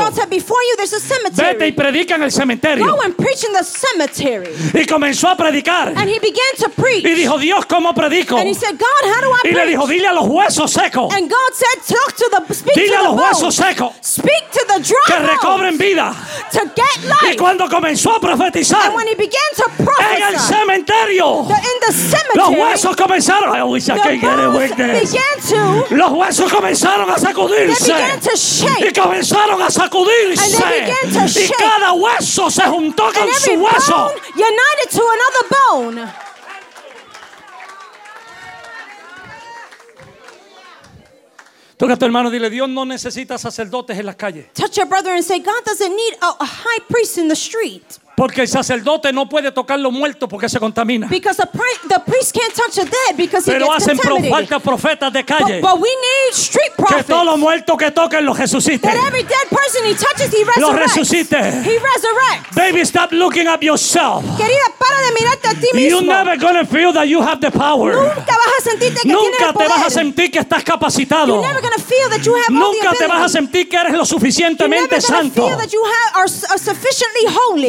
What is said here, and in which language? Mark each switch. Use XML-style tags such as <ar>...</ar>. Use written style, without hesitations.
<en>And God said, before you there's a cemetery.</en> <es>Vete y predica en el cementerio.</es> <en>Go and preach in the cemetery.</en> <es>Y comenzó a predicar.</es> <en>And he began to preach.</en> <es>Y dijo, Dios, ¿cómo predico?</es> <en>And he said, God, how do I preach?</en> <es>Y le dijo, dile a los huesos secos.</es> <en>And God said, talk to the speak</en> <es>dile</es> <en>to</en> <es>a los huesos secos.</es> <en>Speak to the dry bones.</en> <es>Que recobren vida.</es> <en>To get life.</en> <es>Y cuando comenzó a profetizar.</es> <en>And when he began to prophesy.</en> <es>En el cementerio.</es> <en>In the cemetery.</en> <es>Los huesos comenzaron.</es> <en>I wish I could get a witness. Began to</en> <es>los huesos comenzaron a sacudirse.</es> <en>They began to shake.</en> <es>Y comenzaron a sacudirse.</es> <en>And they began to shake.</en> <es>Y cada hueso se juntó con su hueso.</es> <en>And every bone united to another bone.</en> <es>Toca a tu hermano, dile, Dios no necesita sacerdotes en las calles.</es> <en>Touch your brother and say, God doesn't need a high priest in the street. Wow.</en> <es>Porque el sacerdote no puede tocar lo muerto porque se contamina.</es> <en>Because the priest can't touch the dead because he gets contaminated.</en> <es>Pero hacen falta profetas de calle.</es> <en>But we need street prophets.</en> <es>Que todo lo muerto que toquen lo resucite.</es> <en>That every dead person he touches, he resurrects.</en> <es>Lo resucite.</es> <en>He resurrects. Baby, stop looking up yourself.</en> <es>Querida, para de mirarte a ti mismo.</es> <en>You're never gonna feel that you have the power.</en> <es>Nunca vas a sentirte que Nunca tienes el poder. Nunca te vas a sentir que estás capacitado.</es> <en>You're never gonna feel that you have</en> <es>Nunca</es> <en>all the ability.</en> <es>Te vas a sentir que eres lo suficientemente santo.</es> <en>You're never gonna feel that you are sufficiently holy.</en>